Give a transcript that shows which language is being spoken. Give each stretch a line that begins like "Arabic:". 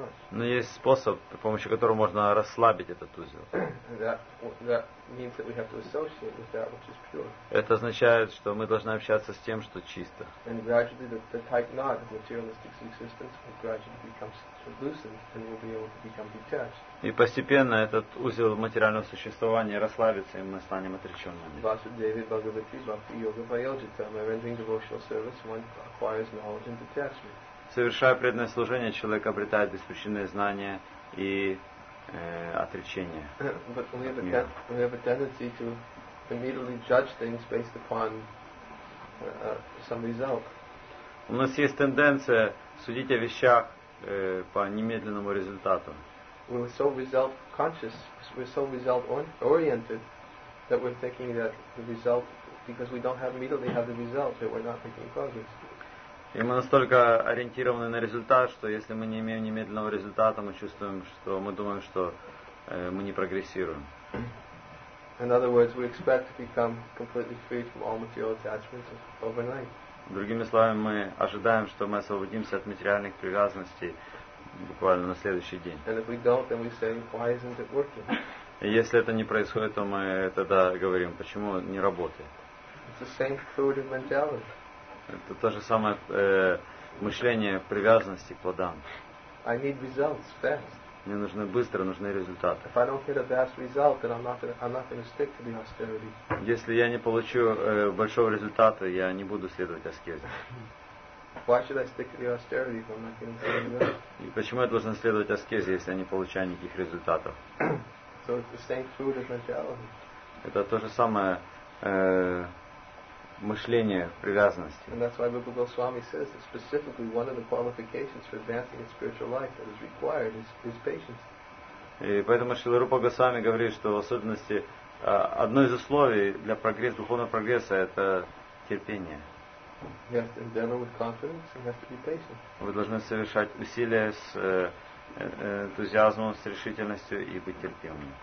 Russian: Но есть способ, при помощи которого можно расслабить этот узел.
English: means that we have to associate with that which is pure.
Russian: Это означает, что мы должны общаться с тем, что чисто.
English: And gradually the tight knot of materialistic existence will gradually become loosened and we'll be able to become detached.
Russian: И постепенно этот узел материального существования расслабится, и мы станем отречёнными.
Sanskrit: Vasudevi Bhagavati Bhakti Yoga Vayojita,
English: by rendering devotional service, one acquires knowledge and detachment.
Russian: Совершая преданное служение, человек обретает беспричинное знание и отречение.
English: But we have a tendency to immediately judge things based upon some result.
Russian: У нас есть тенденция судить о вещах по немедленному результату.
English: We're so result conscious, we're so result oriented that we're thinking that the result, because we don't have immediately have the result, that we're not making progress.
Russian: И мы настолько ориентированы на результат, что если мы не имеем немедленного результата, мы чувствуем, что мы думаем, что мы не прогрессируем.
English: In other words, we expect to become completely free from all material attachments overnight.
Russian: Другими словами, мы ожидаем, что мы освободимся от материальных привязанностей буквально на следующий день.
English: And if we don't, then we say, why isn't it working?
Russian: И если это не происходит, то мы тогда говорим, почему не работает.
English: It's the same food and mentality.
Russian: Это то же самое мышление привязанности к плодам.
English: I need results fast.
Russian: Мне нужны быстро, нужны результаты.
English: If I don't get a fast result, then I'm not gonna stick to the austerity.
Russian: Если я не получу большого результата, я не буду следовать аскезе.
English: Why should I stick to the austerity if I'm not getting the results?
Russian: И почему я должен следовать аскезе, если я не получаю никаких результатов?
English: So it's the same food as mentality.
Russian: Это то же самое мышление привязанности.
English: And that's why Rupa Goswami says that specifically one of the qualifications for advancing in spiritual life that is required is patience.
Russian: И поэтому Шрила Рупа Госвами говорит, что в особенности одно из условий для прогресса, духовного прогресса, это терпение.
English: You have to endeavor with confidence and you have to be patient.
Russian: Вы должны совершать усилия с энтузиазмом, с решительностью и быть терпимыми.